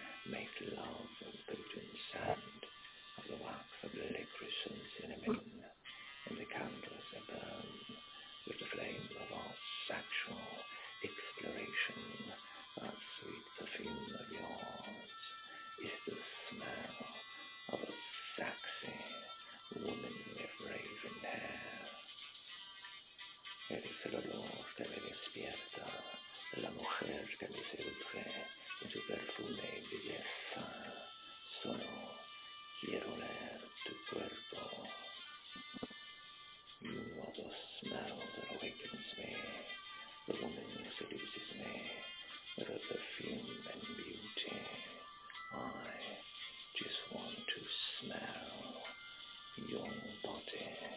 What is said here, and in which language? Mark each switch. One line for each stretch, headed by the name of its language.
English: Make love of potent sand, of the wax of licorice and cinnamon, and the candles that burn with the flame of our sexual exploration. That sweet perfume of yours is the smell of a sexy woman with raven hair.
Spanish: Eres el olor que me despierta, la mujer que me seduce. Tu perfume y belleza, solo quiero leer tu cuerpo.
English: You are the smell that awakens me, the woman who seduces me, with a perfume and beauty. I just want to smell your body.